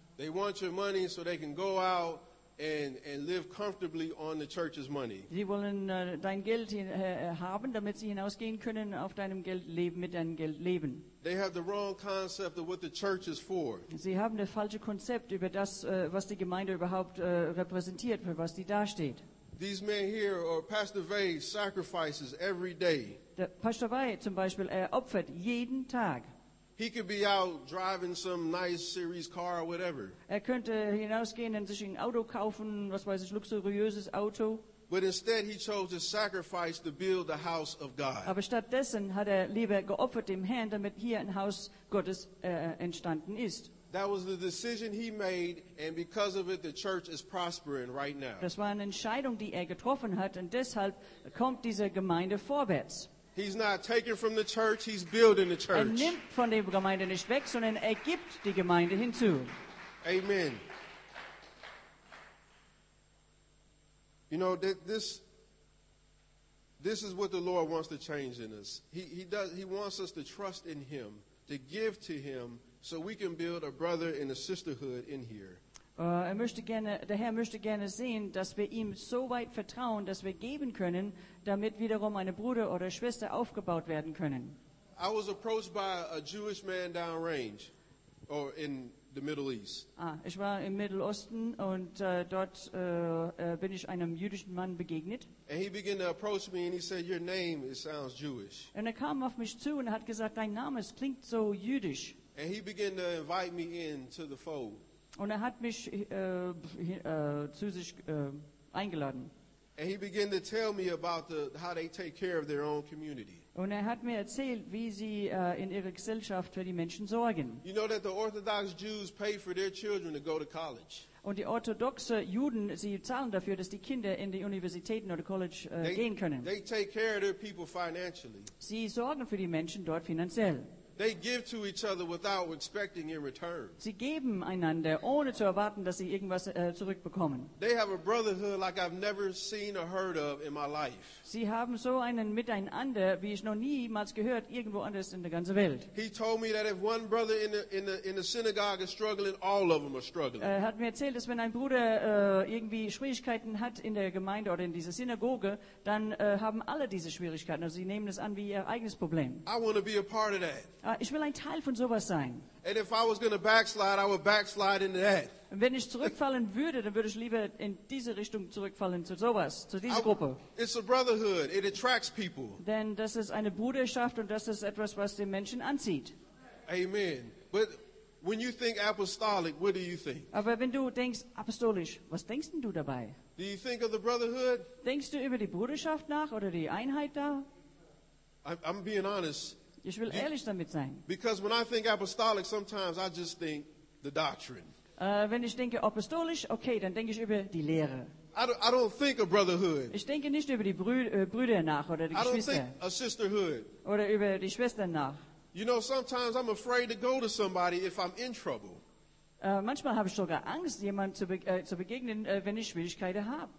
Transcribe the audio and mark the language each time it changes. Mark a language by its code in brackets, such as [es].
[en] They want your money so they can go out and live comfortably on the church's money. [de] Sie wollen dein Geld haben, damit sie hinausgehen können auf deinem Geld leben, mit deinem Geld leben. [en] They have the wrong concept of what the church is for. [de] Sie haben das falsche Konzept über das, was die Gemeinde überhaupt repräsentiert, für was die dasteht. [en] These men here, or Pastor Vey, sacrifices every day. [de] Der Pastor Vey zum Beispiel, opfert jeden Tag. [en] He could be out driving some nice series car or whatever. [de] Er könnte hinausgehen und sich ein Auto kaufen, was weiß ich, luxuriöses Auto. [en] But instead he chose to sacrifice to build the house of God. [de] Aber stattdessen hat lieber geopfert dem Herrn, damit hier ein Haus Gottes entstanden ist. [en] That was the decision he made, and because of it, the church is prospering right now. [de] Das war eine Entscheidung, die getroffen hat, und deshalb kommt diese Gemeinde vorwärts. [en] He's not taking from the church, he's building the church. [de] Er nimmt von der Gemeinde nicht weg, sondern gibt die Gemeinde hinzu. Amen. [en] You know, this This is what the Lord wants to change in us. He wants us to trust in Him, to give to Him, so we can build a brother and a sisterhood in here. [de] Der Herr möchte gerne sehen, dass wir ihm so weit vertrauen, dass wir geben können, damit wiederum eine Bruder oder Schwester aufgebaut werden können. [en] I was approached by a Jewish man downrange, or in the Middle East. [de] Ich war im Mittelosten und dort bin ich einem jüdischen Mann begegnet. [en] And he began to approach me and he said, "Your name, it sounds Jewish." [de] Und kam auf mich zu und hat gesagt, dein Name, es klingt so jüdisch. [en] And he began to invite me into the fold. [de] Und hat mich zu sich eingeladen. [en] And he began to tell me about how they take care of their own community. [de] Und hat mir erzählt, wie sie in ihrer Gesellschaft für die Menschen sorgen. [en] You know that the Orthodox Jews pay for their children to go to college. [de] Und die orthodoxen Juden, sie zahlen dafür, dass die Kinder in die Universitäten oder College gehen können. [en] They take care of their people financially. [de] Sie sorgen für die Menschen dort finanziell. [en] They give to each other without expecting in return. [de] Sie geben einander, ohne zu erwarten, dass sie irgendwas zurückbekommen. [en] They have a brotherhood like I've never seen or heard of in my life. [de] Sie haben so einen Miteinander, wie ich noch niemals gehört, irgendwo anders in der ganzen Welt. [en] He told me that if one brother in the synagogue is struggling, all of them are struggling. [de] Hat mir erzählt, dass wenn ein Bruder irgendwie Schwierigkeiten hat in der Gemeinde oder in dieser Synagoge, dann haben alle diese Schwierigkeiten. Also sie nehmen es an wie ihr eigenes Problem. [en] I want to be a part of that. [de] Ich will ein Teil von sowas sein. [en] And if I was going to backslide, I would backslide into that. [de] Wenn ich zurückfallen würde, dann würde ich lieber in diese Richtung zurückfallen, zu sowas, zu dieser Gruppe. [en] It's a brotherhood. It attracts people. [de] Denn das ist eine Bruderschaft und das ist etwas, was den Menschen anzieht. Amen. [en] But when you think apostolic, what do you think? [de] Aber wenn du denkst apostolisch, was denkst denn du dabei? [en] Do you think of the brotherhood? [de] Denkst du über die Bruderschaft nach oder die Einheit da? [en] I'm being honest. [de] Ich will ehrlich damit sein. [en] Because when I think apostolic, sometimes I just think the doctrine. [de] Wenn ich denke apostolisch, okay, dann denke ich über die Lehre. [en] I don't think of brotherhood. [de] Ich denke nicht über die Brüder nach oder die Geschwister. [en] I don't think of sisterhood. [de] Oder über die Schwestern nach. [en] You know, sometimes I'm afraid to go to somebody if I'm in trouble. [de] Manchmal habe ich sogar Angst, jemandem zu begegnen, wenn ich Schwierigkeiten habe.